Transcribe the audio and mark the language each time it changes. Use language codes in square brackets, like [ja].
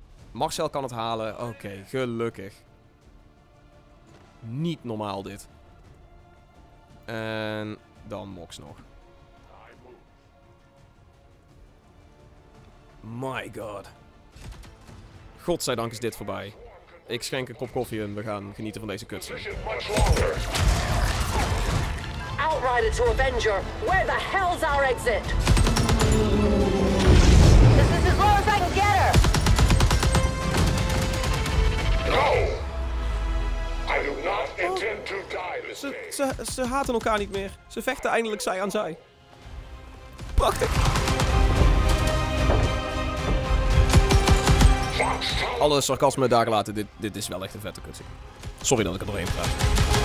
[nl] Marcel kan het halen. Oké, gelukkig. Niet normaal dit. En dan Mox nog. [en] My god. [nl] Godzijdank is dit voorbij. Ik schenk een kop koffie en we gaan genieten van deze kutsen. [en] Outrider to Avenger, where the hell's our exit? This is as low as I can get her! No! I do not intend to die this day. [nl] Ze haten elkaar niet meer. Ze vechten eindelijk zij aan zij. Prachtig! Alle sarcasme daar gelaten, dit is wel echt een vette kutsie. Sorry dat ik er doorheen praat.